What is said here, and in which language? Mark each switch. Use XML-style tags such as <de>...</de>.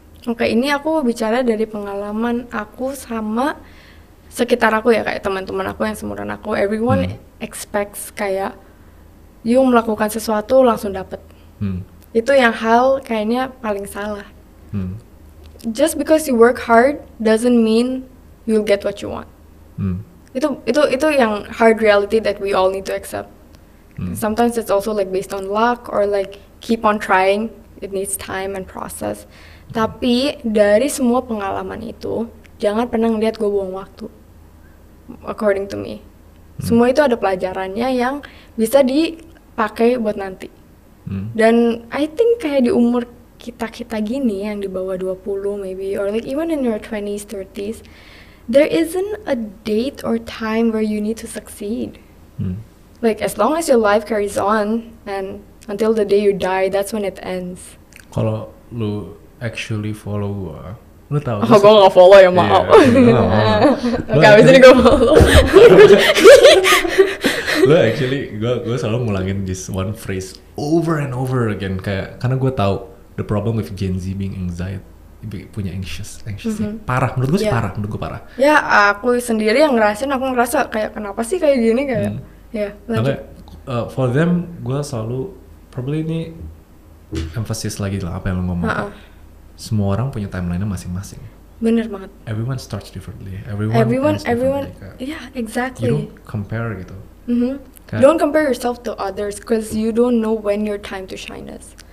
<id>Oke, ini aku bicara dari pengalaman aku sama sekitar aku ya, kayak teman-teman aku yang seumuran aku.</id> <en>Everyone expects</en> <id>kayak you melakukan sesuatu langsung dapet. Itu yang hal kayaknya paling salah.</id> <en>Just because you work hard doesn't mean you'll get what you want.</en> <id>itu yang</id> <en>hard reality that we all need to accept. Sometimes it's also like based on luck or like keep on trying. It needs time and process.</en> <id>Tapi dari semua pengalaman itu, jangan pernah ngeliat gue buang waktu.</id> <en>According to me,</en> <id>semua itu ada pelajarannya yang bisa dipakai buat nanti.</id> <en>Dan I think</en> <id>kayak di umur kita-kita gini yang di bawah</id> <en>20 maybe, or like even in your 20s, 30s, there isn't a date or time where you need to succeed. Like as long as your life carries on and until the day you die, that's when it ends.</en> <id>Kalau lu actually follow gua, lu tahu. Oh, gua enggak follow ya, maaf. Enggak, habis ini gua follow.</id> <en>Lu actually</en> <id>gua selalu ngulangin</id> <en>this one phrase over and over again,</en> <id>kayak karena gua tahu</id> <en>the problem with Gen Z being anxiety, punya anxious mm-hmm.</en> <id>parah menurut gua sih, parah menurut gua parah. Ya, aku sendiri yang ngerasin, aku ngerasa kayak kenapa sih kayak gini kayak. Ya,</id> <en>yeah, for them,</en> <id>gue selalu probably ini emphasis lagi lah apa yang lo ngomong. Semua orang punya timeline-nya masing-masing. Bener banget.</id> <en>Everyone starts differently. Everyone. Yeah, exactly. You don't compare</en> <id>gitu. Mm-hmm.</id> <en>Don't compare yourself to others because you don't know when your time to shine is.</en>